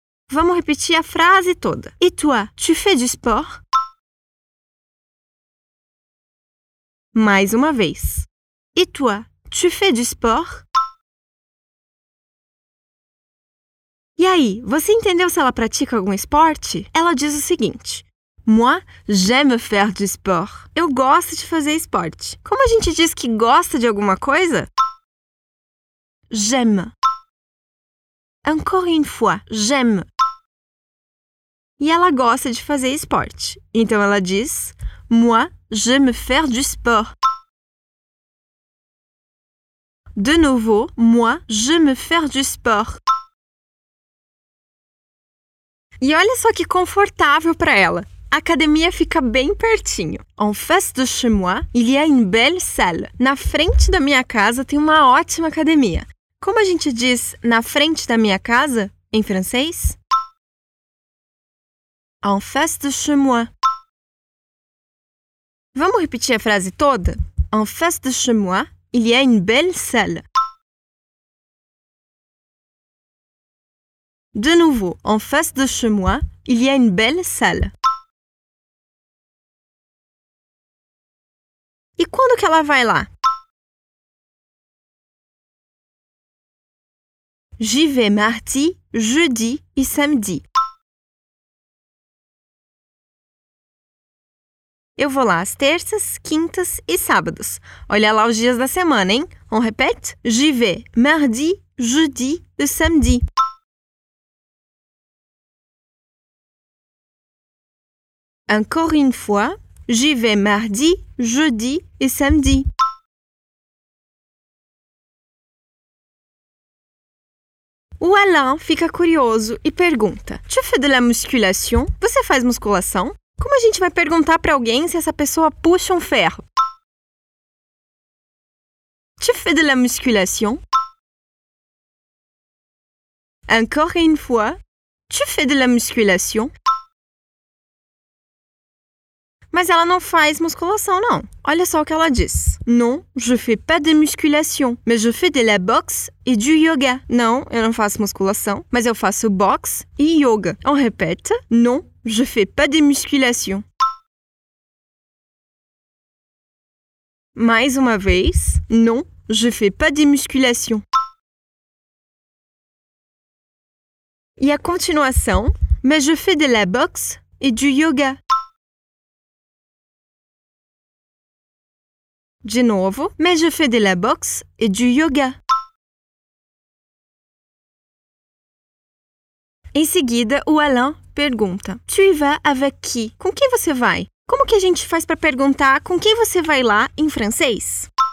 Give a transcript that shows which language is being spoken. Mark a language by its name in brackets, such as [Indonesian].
[Portuguese] Vamos repetir a frase toda. [French] E toi, tu fais du sport? [Portuguese] Mais uma vez. [French] E toi, tu fais du sport? [Portuguese] E aí, você entendeu se ela pratica algum esporte? Ela diz o seguinte. [French] Moi, j'aime faire du sport. [Portuguese] Eu gosto de fazer esporte. Como a gente diz que gosta de alguma coisa? J'aime. [French] Encore une fois, j'aime. [Portuguese] E ela gosta de fazer esporte. Então, ela diz. [French] Moi, j'aime faire du sport. De nouveau, moi, j'aime faire du sport. [Portuguese] E olha só que confortável para ela. A academia fica bem pertinho. [French] En face de chez moi, il y a une belle salle. [Portuguese] Na frente da minha casa tem uma ótima academia. Como a gente diz na frente da minha casa em francês? [French] En face de chez moi. [Portuguese] Vamos repetir a frase toda? [French] En face de chez moi, il y a une belle salle. De nouveau, en face de chez moi, il y a une belle salle. [Portuguese] E quando que ela vai lá? [French] J'y vais mardi, jeudi e samedi. [Portuguese] Eu vou lá às terças, quintas e sábados. Olha lá os dias da semana, hein? [French] On répète? J'y vais mardi, jeudi e samedi. Encore une fois, j'y vais mardi, jeudi et samedi. [Portuguese] O Alain fica curioso e pergunta: [French] Tu fais de la musculation? [Portuguese] Você faz musculação? Como a gente vai perguntar para alguém se essa pessoa puxa um ferro? [French] Tu fais de la musculation? Encore une fois, tu fais de la musculation? [Portuguese] Mas ela não faz musculação, não. Olha só o que ela diz. [French] Non, je fais pas de musculation, mais je fais de la boxe et du yoga. [Portuguese] Não, eu não faço musculação, mas eu faço boxe e yoga. [French] On répète. Non, je fais pas de musculation. [Portuguese] Mais uma vez. [French] Non, je fais pas de musculation. [Portuguese] E a continuação. [French] Mais je fais de la boxe et du yoga. [Portuguese] De novo, mas [French] je fais de la boxe et du yoga. [Portuguese] Em seguida, o Alain pergunta: [French] Tu y vas avec qui? [Portuguese] Com quem você vai? Como que a gente faz para perguntar com quem você vai lá em francês?